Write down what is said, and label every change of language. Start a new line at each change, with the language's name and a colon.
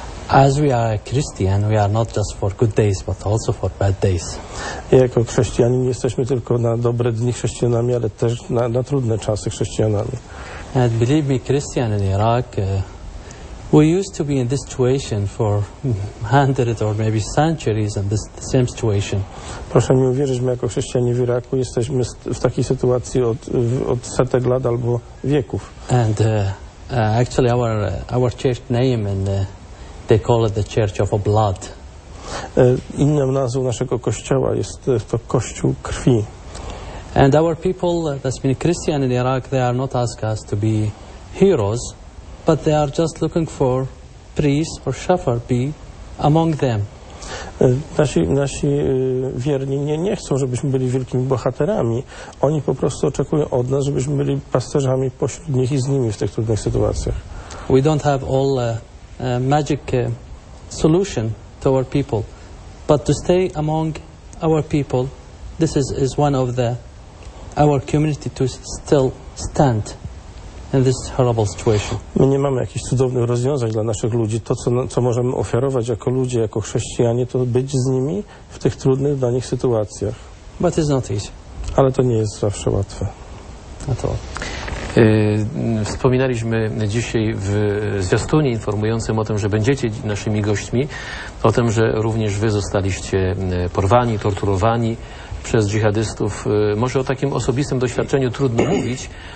English: As we are a Christian, we are not just for good days, but also for bad days.
Polish: Jako chrześcijanin nie jesteśmy tylko na dobre dni chrześcijanami, ale też na trudne czasy chrześcijanami.
English: And believe me, Christian in Iraq, we used to be in this situation for 100 or maybe centuries in this same situation.
Polish: Proszę mi uwierzyć, my jako chrześcijanie w Iraku jesteśmy w takiej sytuacji od setek lat albo wieków.
English: And actually our church name in they call it the Church of Blood.
Polish: Inną nazwą naszego kościoła jest to Kościół Krwi.
English: And our people that's been Christian in Iraq, they are not asking us to be heroes, but they are just looking for priests or shepherds among them.
Polish: Nasi wierni nie chcą, żebyśmy byli wielkimi bohaterami. Oni po prostu oczekują od nas, żebyśmy byli pasterzami pośród nich i z nimi w tych trudnych sytuacjach.
English: We don't have all magic solution to our people, but to stay among our people, this is one of the our community to still stand in this horrible situation.
Polish: My nie mamy jakichś cudownych rozwiązań dla naszych ludzi. To, co możemy ofiarować jako ludzie, jako chrześcijanie, to być z nimi w tych trudnych dla nich sytuacjach.
English: But it's not easy.
Polish: Ale to nie jest zawsze łatwe.
English: At all.
Polish: Wspominaliśmy dzisiaj w zwiastunie informującym o tym, że będziecie naszymi gośćmi, o tym, że również wy zostaliście porwani, torturowani przez dżihadystów. Może o takim osobistym doświadczeniu trudno mówić,